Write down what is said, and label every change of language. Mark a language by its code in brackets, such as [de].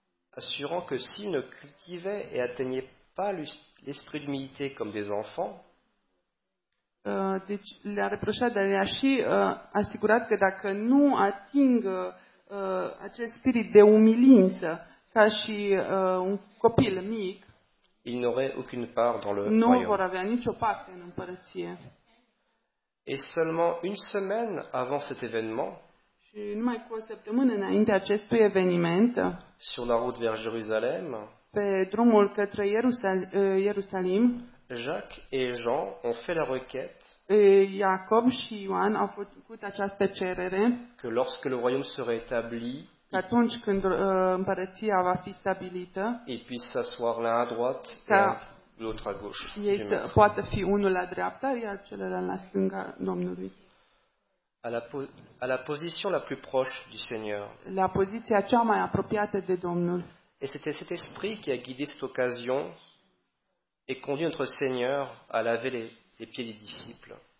[fr] Assurant que s'il ne cultivait et atteignait pas l'esprit d'humilité comme des enfants. [ro] Deci le-a reproșat, dar le-a și asigurat că dacă nu atingă acest spirit de umilință ca și un copil mic, [fr] il n'aurait aucune part dans le royaume. [ro] Nu vor avea nicio parte în împărăție. [fr] Et seulement une semaine avant cet événement, [ro] și numai cu o săptămână înainte acestui eveniment, [fr] sur la route vers Jérusalem, [ro] pe drumul către Ierusalim, [fr] Jacques et Jean ont fait la requête. [ro] Iacob și Ioan au făcut această cerere. [fr] Que lorsque le royaume serait établi, [ro] atunci când împărăția va fi stabilită, [fr] ils puissent s'asseoir l'un à droite et l'autre à gauche. [ro] Ei să poată fi unul la dreapta, iar celălalt la stânga Domnului. [fr] À la position la plus proche du Seigneur. [ro] La poziția cea mai apropiată de Domnul. [fr] Et c'était cet esprit qui a guidé cette occasion et conduit notre Seigneur à laver les pieds des disciples.